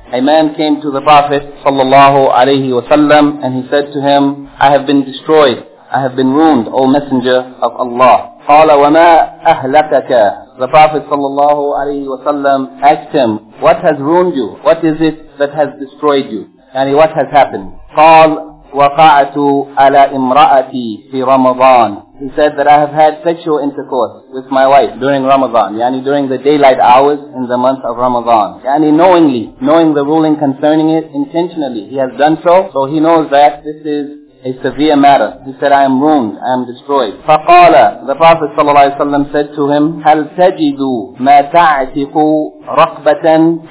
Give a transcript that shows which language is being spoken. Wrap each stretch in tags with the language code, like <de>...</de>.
<en>A man came to the Prophet صلى الله عليه وسلم and he said to him, I have been destroyed, I have been ruined, O Messenger of Allah.</en> <ar>قال وما أهلكك.</ar> <en>The Prophet sallallahu alayhi wa sallam asked him, what has ruined you? What is it that has destroyed you? Yani what has happened?</en> <ar>قال وقعتُ على امرأتي في رمضان.</ar> <en>He said that I have had sexual intercourse with my wife during Ramadan, yani during the daylight hours in the month of Ramadan. Yani knowingly, knowing the ruling concerning it, intentionally he has done so. So he knows that this is a severe matter. He said, I am ruined, I am destroyed.</en> <ar>فَقَالَ</ar> <en>The Prophet صلى الله عليه وسلم said to him,</en> <ar>هَلْ تَجِدُ مَا تَعْتِقُ رَقْبَةً.</ar>